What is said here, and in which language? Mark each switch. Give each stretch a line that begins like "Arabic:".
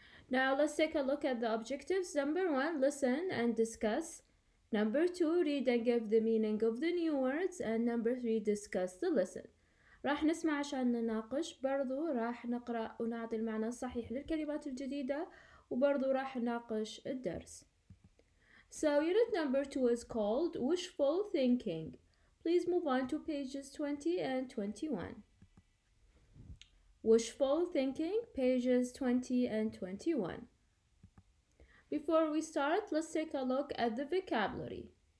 English: Now let's take a look at the objectives. Number 1, listen and discuss. Number 2, read and give the meaning of the new words. And number 3, discuss the lesson.
Arabic: راح نسمع عشان نناقش، برضو راح نقرأ ونعطي المعنى الصحيح للكلمات الجديدة، وبرضو راح نناقش الدرس.
English: So unit number 2 is called wishful thinking. Please move on to pages 20 and 21. Wishful thinking, pages 20 and 21. Before we start, let's take a look at the vocabulary.